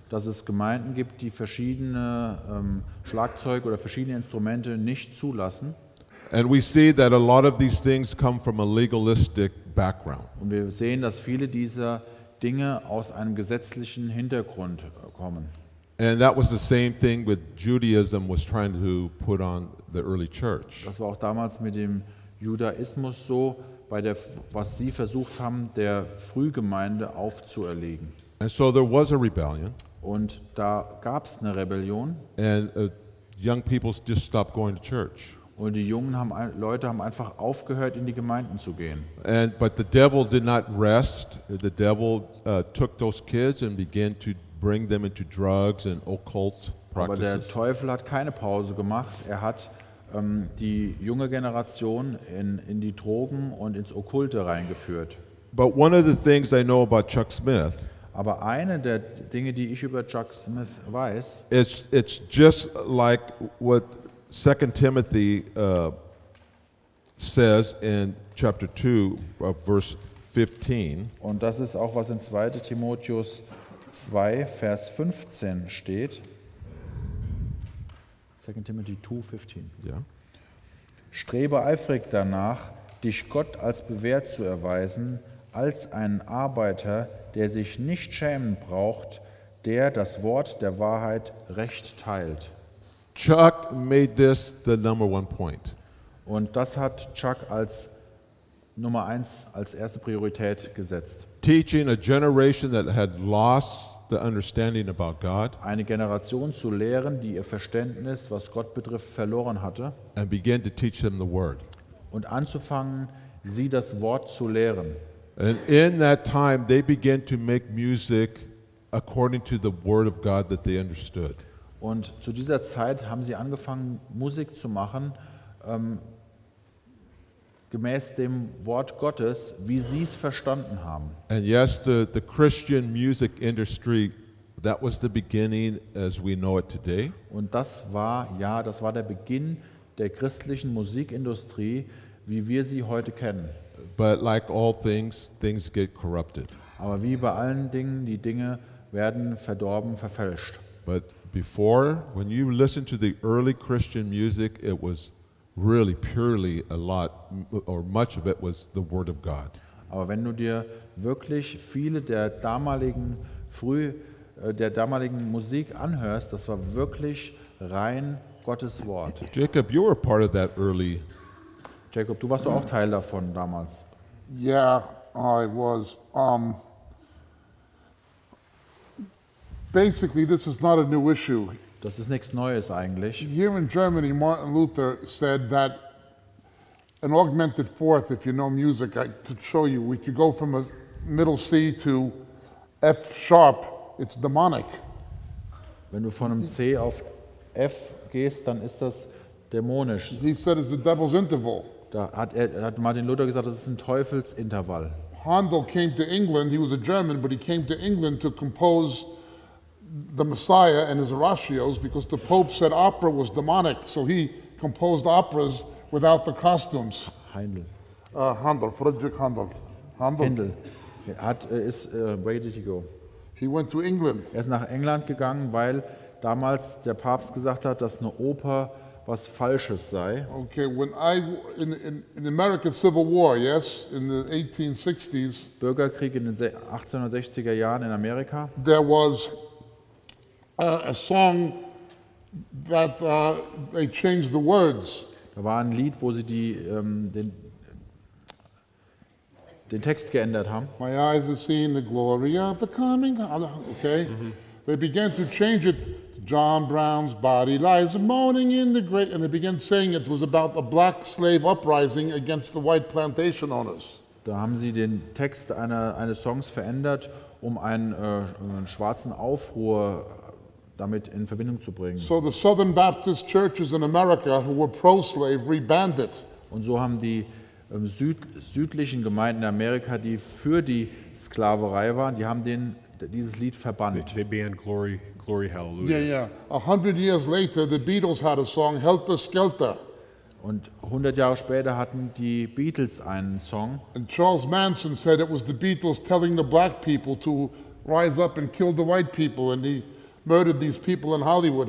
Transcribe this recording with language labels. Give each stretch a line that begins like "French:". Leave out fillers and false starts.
German: Dass es Gemeinden gibt, die verschiedene Schlagzeug oder verschiedene Instrumente nicht zulassen.
English: And we see that a lot of these things come from a legalistic background.
German: Und wir sehen, dass viele dieser Dinge aus einem gesetzlichen Hintergrund kommen.
English: And that was the same thing with Judaism was trying to put on the early church.
German: Das war auch damals mit dem Judaismus so, bei der, was sie versucht haben, der Frühgemeinde aufzuerlegen.
English: And so there was a rebellion.
German: Und da gab's eine Rebellion.
English: And young people just stopped going to church.
German: Und die jungen Leute haben einfach aufgehört, in die Gemeinden zu gehen.
English: And but the devil did not rest. The devil took those kids and began to bring them into drugs and occult practices.
German: Aber der Teufel hat keine Pause gemacht. Er hat die junge Generation in die Drogen und ins Okkulte reingeführt.
English: But one of the things I know about Chuck Smith.
German: Aber eine der Dinge, die ich über Chuck Smith weiß,
English: it's just like what 2 Timothy says in chapter 2 verse 15.
German: Und das ist auch was in 2. Timotheus 2 Vers 15 steht.
English: 2 Timothy 2:15. Ja. Yeah.
German: Strebe eifrig danach, dich Gott als bewährt zu erweisen, als einen Arbeiter, der sich nicht schämen braucht, der das Wort der Wahrheit recht teilt.
English: Chuck made this the number one point.
German: Und das hat Chuck als Nummer eins, als erste Priorität gesetzt.
English: Teaching a generation that had lost the understanding about God.
German: Eine Generation zu lehren, die ihr Verständnis, was Gott betrifft, verloren hatte.
English: And began to teach them the word.
German: Und anzufangen, sie das Wort zu lehren.
English: And in that time, they began to make music according to the word of God that they understood.
German: Und zu dieser Zeit haben sie angefangen, Musik zu machen, gemäß dem Wort Gottes, wie sie es verstanden haben.
English: And yes, the Christian music industry That was the beginning as we know it today.
German: Und das war der Beginn der christlichen Musikindustrie, wie wir sie heute kennen.
English: But like all things, things get corrupted.
German: Aber wie bei allen Dingen, die Dinge werden verdorben, verfälscht.
English: But before, when you listen to the early Christian music, it was really purely a lot, or much of it was the Word of God.
German: Aber wenn du dir wirklich viele der damaligen früh der damaligen Musik anhörst, das war wirklich rein Gottes Wort.
English: Jacob, you were part of that early.
German: Jacob, du warst auch Teil davon damals.
English: Yeah, I was. Basically, this is not a new issue.
German: Das ist nichts Neues eigentlich.
English: Here in Germany, Martin Luther said that an augmented fourth, if you know music, I could show you. If you go from a middle C to F sharp, it's demonic.
German: Wenn du von einem C auf F gehst, dann ist das dämonisch.
English: He said it's the devil's interval.
German: Da hat Martin Luther gesagt, das ist ein Teufelsintervall.
English: Handel came to England. He was a German, but he came to England to compose the Messiah and his oratorios because the Pope said opera was demonic. So he composed operas without the costumes. Handel. Handel. Friedrich Handel. Handel. Handel. Where did he go? He went to England.
German: Er ist nach England gegangen, weil damals der Papst gesagt hat, dass eine Oper was Falsches sei.
English: Okay, when I in the American Civil War, yes, in the 1860s.
German: Bürgerkrieg in den 1860er Jahren in Amerika.
English: There was a song that they changed the words.
German: Da war ein Lied, wo sie den Text geändert haben.
English: My eyes have seen the glory of the coming. Okay. Mm-hmm. They began to change it. John Brown's body lies moaning in the grave. And they began saying it was about a black slave uprising against the white plantation owners.
German: Da haben sie den Text eines Songs verändert, um einen schwarzen Aufruhr damit in Verbindung zu bringen.
English: So the Southern Baptist churches in America who were pro-slavery banned it.
German: Und so haben die südlichen Gemeinden in Amerika, die für die Sklaverei waren, die haben dieses Lied verbannt.
English: They banned Glory, Glory Hallelujah. Yeah, yeah. 100 years later, the Beatles had a song, Helter Skelter.
German: Und 100 Jahre später hatten die Beatles einen Song.
English: And Charles Manson said it was the Beatles telling the black people to rise up and kill the white people, and he murdered these people in Hollywood.